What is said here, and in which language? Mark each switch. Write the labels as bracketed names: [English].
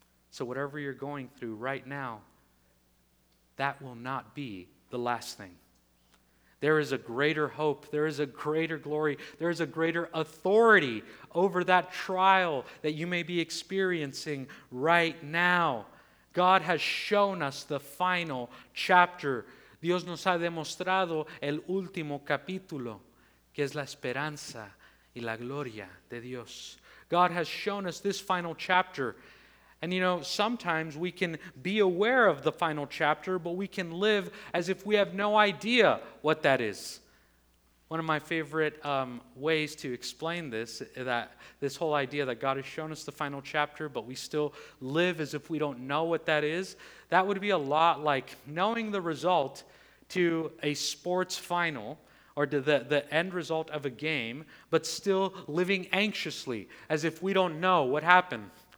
[English] So whatever you're going through right now, that will not be the last thing. There is a greater hope. There is a greater glory. There is a greater authority over that trial that you may be experiencing right now. God has shown us the final chapter. [Spanish] Dios nos ha demostrado el último capítulo, que es la esperanza y la gloria de Dios. [English] God has shown us this final chapter. And you know, sometimes we can be aware of the final chapter, but we can live as if we have no idea what that is. One of my favorite ways to explain this, that this whole idea that God has shown us the final chapter, but we still live as if we don't know what that is, that would be a lot like knowing the result to a sports final or to the end result of a game, but still living anxiously as if we don't know what happened.